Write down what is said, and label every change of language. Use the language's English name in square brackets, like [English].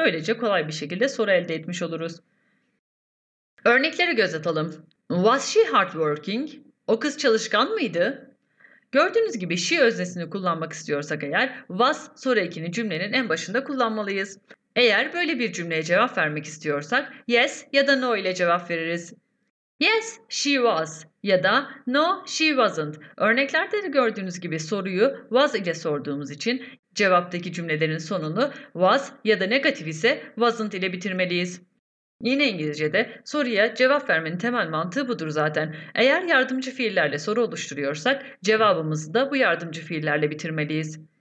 [Turkish] Böylece kolay bir şekilde soru elde etmiş oluruz. Örnekleri göz atalım. [English] Was she hardworking? [Turkish] O kız çalışkan mıydı? Gördüğünüz gibi she öznesini kullanmak istiyorsak eğer was soru ekini cümlenin en başında kullanmalıyız. Eğer böyle bir cümleye cevap vermek istiyorsak yes ya da no ile cevap veririz. [English] Yes she was [Turkish] ya da [English] no she wasn't. [Turkish] Örneklerde de gördüğünüz gibi soruyu was ile sorduğumuz için cevaptaki cümlelerin sonunu was ya da negatif ise wasn't ile bitirmeliyiz. Yine İngilizce'de soruya cevap vermenin temel mantığı budur zaten. Eğer yardımcı fiillerle soru oluşturuyorsak cevabımızı da bu yardımcı fiillerle bitirmeliyiz.